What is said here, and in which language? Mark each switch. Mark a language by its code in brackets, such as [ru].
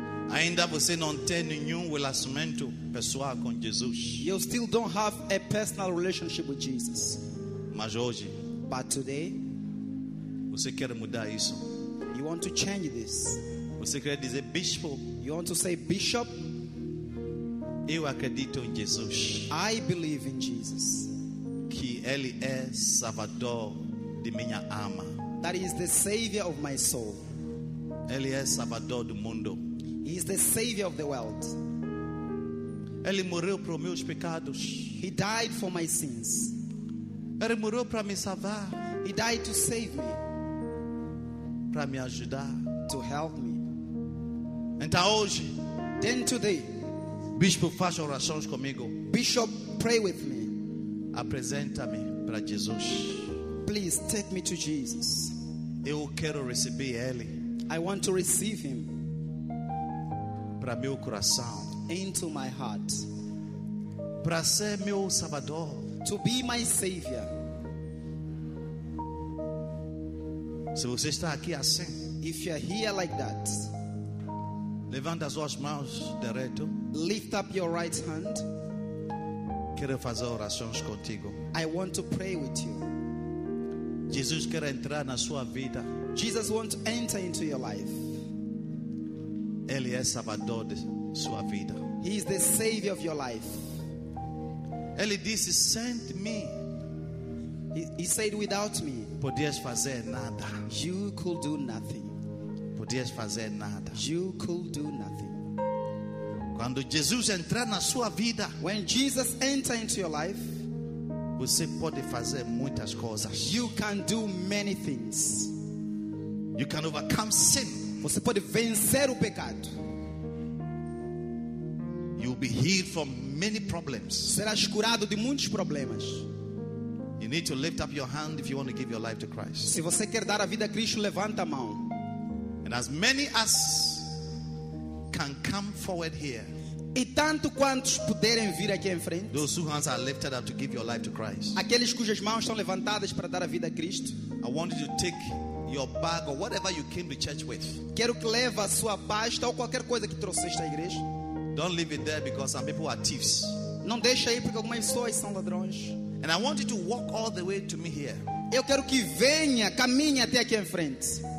[pt] Ainda você não tem nenhum relacionamento pessoal com Jesus. [en] You still don't have a personal relationship with Jesus. [pt] Mas hoje, [en] but today, [pt] você quer mudar isso. [en] You want to change this. [pt] Você quer dizer bishop. [en] You want to say bishop. [pt] Eu acredito em Jesus. [en] I believe in Jesus. [pt] Que ele é salvador de minha alma. [en] That he is the savior of my soul. [pt] Ele é salvador do mundo. [en] He is the savior of the world. [pt] Ele morreu para os meus pecados. [en] He died for my sins. [pt] Ele morreu para me salvar. [en] He died to save me. [pt] Para me ajudar. [en] To help me. [pt] Então hoje, [en] then today, [pt] bispo, faz orações comigo. [en] Bishop, pray with me. [pt] Apresenta-me para Jesus. [en] Please take me to Jesus. [pt] Eu quero receber ele. [en] I want to receive him. [pt] Para meu coração. [en] Into my heart. [pt] Para ser meu salvador. [en] To be my savior. [pt] Se você está aqui assim, [en] if you are here like that, [pt] levanta as suas mãos direito, [en] lift up your right hand. [pt] Quero fazer orações contigo. [en] I want to pray with you. [pt] Jesus quer entrar na sua vida. [en] Jesus wants to enter into your life. [pt] Ele é Salvador de sua vida. [en] He is the Savior of your life. [pt] Ele disse, [en] "Send me." He said, "Without me, [pt] podias fazer nada. [en] You could do nothing. [pt] Podias fazer nada. [en] You could do nothing." [pt] Quando Jesus entra na sua vida, [en] when Jesus enters into your life, [pt] você pode fazer muitas coisas. [en] You can do many things. You can overcome sin. [pt] Você pode vencer o pecado. [en] You'll be healed from many problems. [pt] Serás curado de muitos problemas. [en] You need to lift up your hand if you want to give your life to Christ. [pt] Se você quer dar a vida a Cristo, levanta a mão. [en] And as many as can come forward here. [pt] E tanto quantos puderem vir aqui em frente. [en] Those whose hands are lifted up to give your life to Christ. [pt] Aqueles cujas mãos estão levantadas para dar a vida a Cristo. [en] I want you to take your bag or whatever you came to church with. [pt] Quero que leve a sua pasta ou qualquer coisa que trouxeste à igreja. [en] Don't leave it there because some people are thieves. [pt] Não deixe aí porque algumas pessoas são ladrões. [en] And I want you to walk all the way to me here. [pt] Eu quero que venha, caminhe até aqui em frente.